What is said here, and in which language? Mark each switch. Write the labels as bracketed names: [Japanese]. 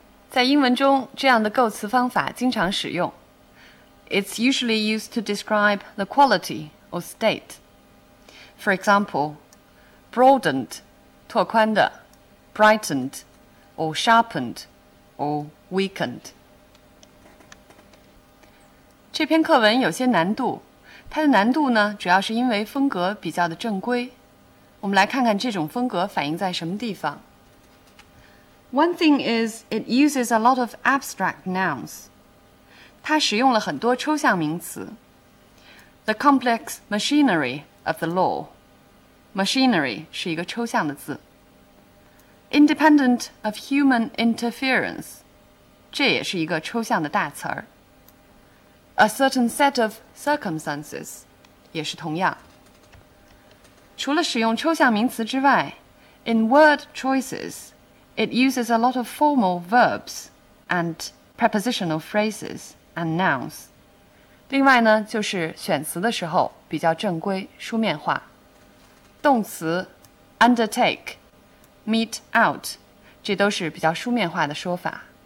[Chinese] 在英文中这样的构词方法经常使用。 [English] It's usually used to describe the quality or state. For example, broadened, [Chinese] 拓宽的 [English] brightened,or sharpened, or weakened. [Chinese] 这篇课文有些难度，它的难度呢，主要是因为风格比较的正规。我们来看看这种风格反映在什么地方。 [English] One thing is, it uses a lot of abstract nouns. [Chinese] 它使用了很多抽象名词。 [English] The complex machinery of the law. [Chinese] Machinery 是一个抽象的字。 [English] Independent of human interference, [Chinese] 这也是一个抽象的大词儿。 [English] A certain set of circumstances, [Chinese] 也是同样。除了使用抽象名词之外 [English] ,in word choices, it uses a lot of formal verbs and prepositional phrases and nouns. [Chinese] 另外呢，就是选词的时候比较正规，书面化。动词 [English] undertake,meet out, [Chinese] 这都是比较书面化的说法。